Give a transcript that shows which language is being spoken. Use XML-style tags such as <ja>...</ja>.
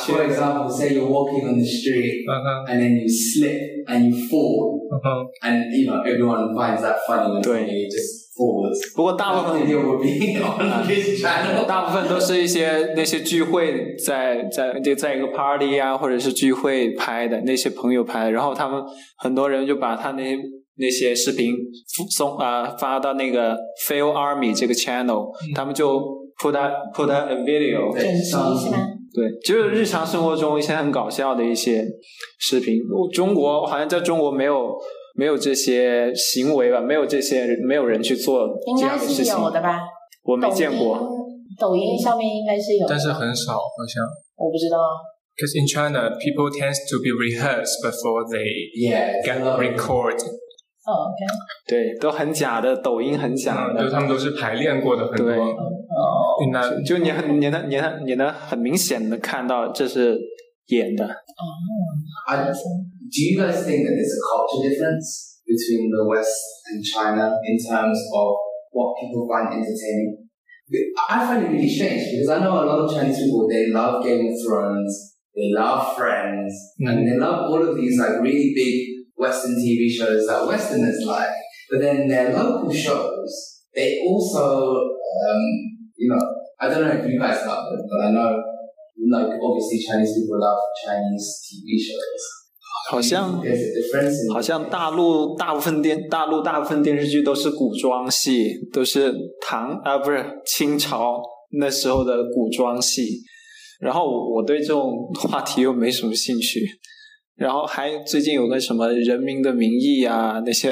<en>For example, say you're walking on the street, uh-huh. and then you slip and you fall, uh-huh. and you know everyone finds that funny, and you just falls.</en> <zh>不过大部分</zh> <en>video will be on this channel.</en> <zh>大部分都是一些那些聚会在一个 party 啊，或者是聚会拍的那些朋友拍的，然后他们很多人就把他那些。那些视频发到那个 Fail Army 这个 channel, 他们就</zh> <en>put a video,</en> <zh>对，就是日常生活中一些很搞笑的一些视频。中国好像在中国没有这些行为吧，没有人去做这样的事情。应该是有的吧，我没见过。抖音上面应该是有的，但是很少好像。我不知道。</zh> <en>Because in China, people tend to be rehearsed before they get recorded. Okay.</en> <zh>对，都很假的，抖音很假的，他们都是排练过的，很多。对，那就你能很明显的看到这是演的。</zh> <en>Do you guys think that there's a culture difference between the West and China in terms of what people find entertaining? I find it really strange because I know a lot of Chinese people, they love Game of Thrones, they love Friends, and they love all of these like really big. Western TV shows that Westerners like, but then their local shows, they also, you know, I don't know if you guys love them, but I know, like, obviously Chinese people love Chinese TV shows.</en> <zh>好像大陆大部分电视剧都是古装戏，都是清朝那时候的古装戏，然后我对这种话题又没什么兴趣。然后还最近有个什么人民的名义啊那些、</zh>